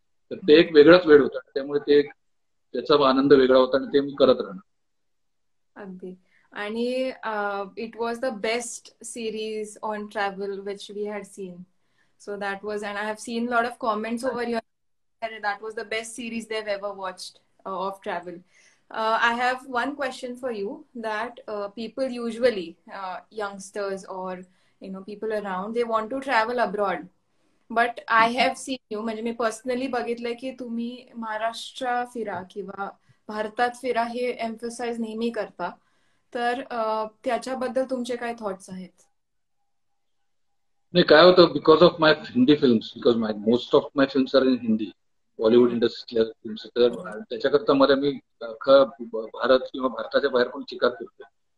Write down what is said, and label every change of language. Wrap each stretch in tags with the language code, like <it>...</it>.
<mr>तर ते एक वेगळाच वेळ होता त्यामुळे ते त्याचा आनंद वेगळा होता आणि ते मी करत राहणार. अगदी.</mr> <en>आणि it was the best series on travel which we had seen. So that was and I have seen lot of comments over your that was the best series they have ever watched of travel. I have one question for you that people usually, youngsters or, you know, people around, they want to travel abroad. But I have seen you,</en> <mr>म्हणजे मी personally बघितलंय की तुम्ही महाराष्ट्र फिरा किंवा भारतात फिरा हे emphasise नेहमी करता, तर त्याच्याबद्दल तुमचे काय थॉट्स आहेत? नाही काय होतं,</mr> <en>because of my Hindi films, because my most of my films are in Hindi</en> <mr>Bollywood इंडस्ट्रीतल्या films, तर त्याच्याकरता मला मी अख्खा भारत किंवा भारताच्या बाहेर पण चिकार फिरतोय.</mr>